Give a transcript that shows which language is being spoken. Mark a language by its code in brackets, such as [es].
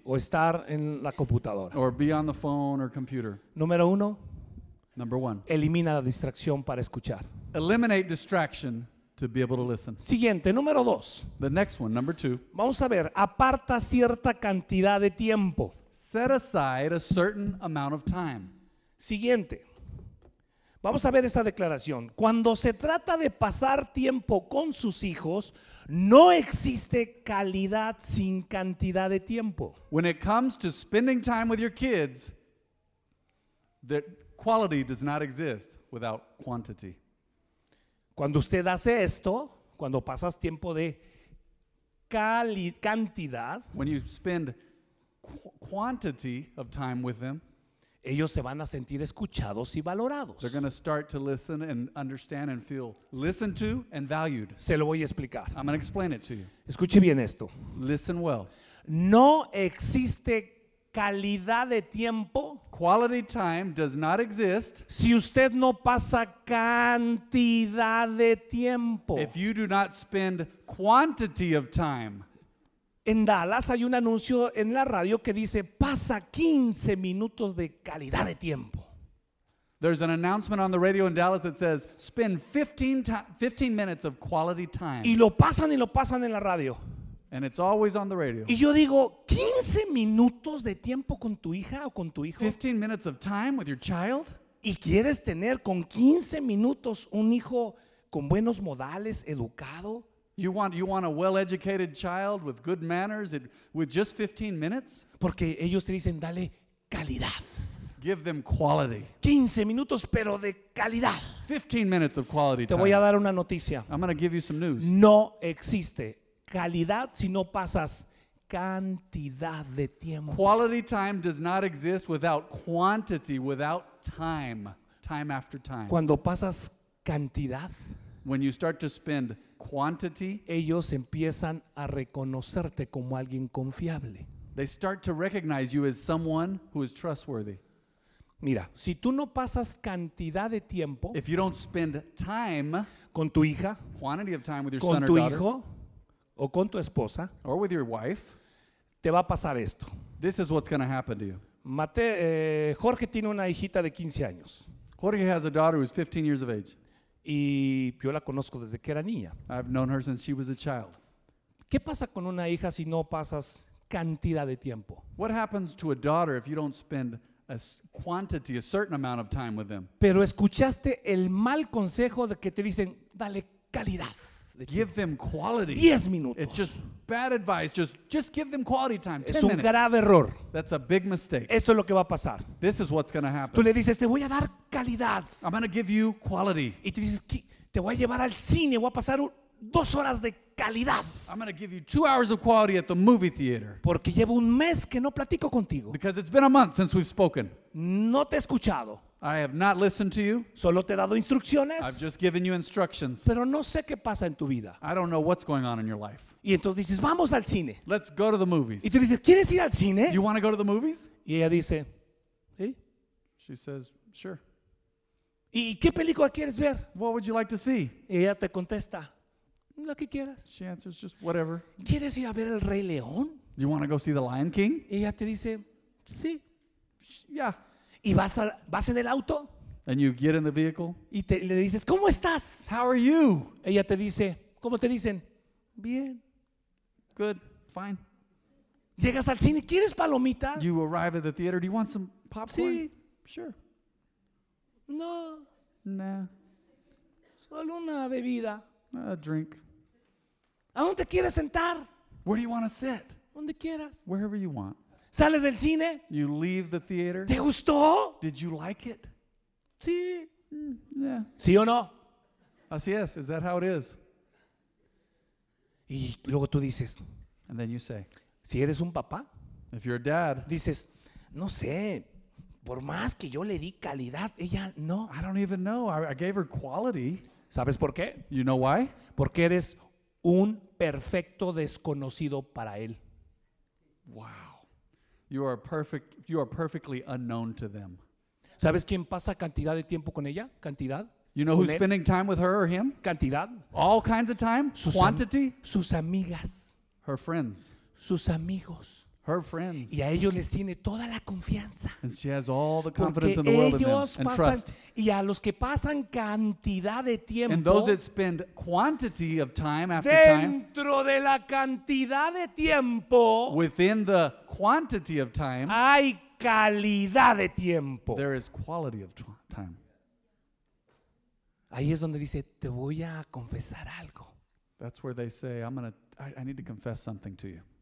[es] O estar en la computadora. [en] Or be on the phone or computer. [es] Número uno. [en] Number one. [es] Elimina la distracción para escuchar. [en] Eliminate distraction to be able to listen. [es] Siguiente, número dos. [en] The next one, number two. [es] Vamos a ver, aparta cierta cantidad de tiempo. [en] Set aside a certain amount of time. [es] Siguiente. Vamos a ver esta declaración. Cuando se trata de pasar tiempo con sus hijos, no existe calidad sin cantidad de tiempo. [en] When it comes to spending time with your kids, the quality does not exist without quantity. [es] Cuando usted hace esto, cuando pasas tiempo de cantidad, [en] when you spend quantity of time with them, [es] ellos se van a sentir escuchados y valorados. [en] They're going to start to listen and understand and feel listened to and valued. [es] Se lo voy a explicar. [en] I'm going to explain it to you. [es] Escuche bien esto. [en] Listen well. [es] No existe calidad de tiempo. [en] Quality time does not exist. [es] Si usted no pasa cantidad de tiempo. [en] If you do not spend quantity of time. [es] En Dallas hay un anuncio en la radio que dice pasa 15 minutos de calidad de tiempo. [en] There's an announcement on the radio in Dallas that says spend 15 minutes of quality time. [es] Y lo pasan en la radio. [en] And it's always on the radio. [es] Y yo digo, 15 minutos de tiempo con tu hija o con tu hijo. [en] 15 minutes of time with your child? [es] ¿Y quieres tener con 15 minutos un hijo con buenos modales, educado? [en] You want a well-educated child with good manners with just 15 minutes? [es] Porque ellos te dicen, dale calidad. [en] Give them quality. [es] 15 minutos, pero de calidad. [en] 15 minutes of quality time. [es] Te voy a dar una noticia. [en] I'm going to give you some news. [es] No existe calidad si no pasas cantidad de tiempo. [en] Quality time does not exist without quantity, without time, time after time. [es] Cuando pasas cantidad, [en] when you start to spend quantity, [es] ellos empiezan a reconocerte como alguien confiable. [en] They start to recognize you as someone who is trustworthy. [es] Mira, si tú no pasas cantidad de tiempo, [en] if you don't spend time [es] con tu hija, [en] quantity of time with your [es] con [en] son [es] tu [en] or daughter, [es] hijo, o con tu esposa, [en] or with your wife, [es] te va a pasar esto. [en] This is what's going to happen to you. [es] Jorge tiene una hijita de 15 años. [en] Jorge has a daughter who's 15 years of age. [es] Y yo la conozco desde que era niña. [en] I've known her since she was a child. [es] ¿Qué pasa con una hija si no pasas cantidad de tiempo? [en] What happens to a daughter if you don't spend a certain amount of time with them? [es] Pero escuchaste el mal consejo de que te dicen, dale calidad. [en] Give them quality. [es] 10 minutos. [en] It's just bad advice. Just give them quality time. 10 [es] es un [en] minutes. [es] Grave error. [en] That's a big mistake. [es] Esto es lo que va a pasar. [en] This is what's going to happen. [es] Tú le dices, te voy a dar calidad. [en] I'm going to give you quality. [es] Y te dices, te voy a llevar al cine. Voy a pasar 2 horas de calidad. [en] I'm going to give you 2 hours of quality at the movie theater. [es] Porque llevo un mes que no platico contigo. [en] Because it's been a month since we've spoken. [es] No te he escuchado. [en] I have not listened to you. [es] Solo te he dado instrucciones. [en] I've just given you instructions. [es] Pero no sé qué pasa en tu vida. [en] I don't know what's going on in your life. [es] Y entonces dices, vamos al cine. [en] Let's go to the movies. [es] Y tú dices, ¿quieres ir al cine? [en] Do you want to go to the movies? [es] Y ella dice, ¿sí? [en] She says, sure. [es] ¿Y qué película quieres ver? [en] What would you like to see? [es] Y ella te contesta, lo que quieras. [en] She answers, just whatever. [es] ¿Quieres ir a ver el Rey León? [en] Do you want to go see the Lion King? [es] Y ella te dice, sí. [en] Yeah. [es] Y vas en el auto. [en] And you get in the vehicle. [es] Y le dices, ¿cómo estás? [en] How are you? [es] Ella te dice, ¿cómo te dicen? Bien. [en] Good. Fine. [es] Llegas al cine, ¿quieres palomitas? [en] You arrive at the theater. Do you want some popcorn? [es] Sí. [en] Sure. [es] No. [en] Nah. [es] Solo una bebida. [en] A drink. [es] ¿A dónde quieres sentar? [en] Where do you want to sit? [es] Donde quieras. [en] Wherever you want. [es] Sales del cine. [en] You leave the theater. [es] ¿Te gustó? [en] Did you like it? [es] Sí. [en] Yeah. [es] ¿Sí o no? Así es. [en] Is that how it is? [es] Y luego tú dices. [en] And then you say. [es] Si eres un papá. [en] If you're a dad. [es] Dices, no sé. Por más que yo le di calidad, ella no. [en] I don't even know. I gave her quality. [es] ¿Sabes por qué? [en] You know why? [es] Porque eres un perfecto desconocido para él. [en] Wow. You are perfect. You are perfectly unknown to them. [es] ¿Sabes quién pasa cantidad de tiempo con ella? Cantidad. [en] You know who's spending time with her or him? [es] Cantidad. [en] All kinds of time. Quantity. [es] Sus amigas. [en] Her friends. [es] Sus amigos. [en] Her friends. [es] Y a ellos les tiene toda la confianza. [en] And she has all the confidence in the world [es] ellos [en] in them. [es] Pasan, [en] and trust. [es] Y a los que pasan cantidad de tiempo. [en] And those that spend quantity of time after [es] dentro [en] time. [es] Dentro de la cantidad de tiempo. [en] Within the quantity of time. [es] Hay calidad de tiempo. [en] There is quality of time. [es] Ahí es donde dice, te voy a confesar algo. [en] That's where they say, I need to confess something to you.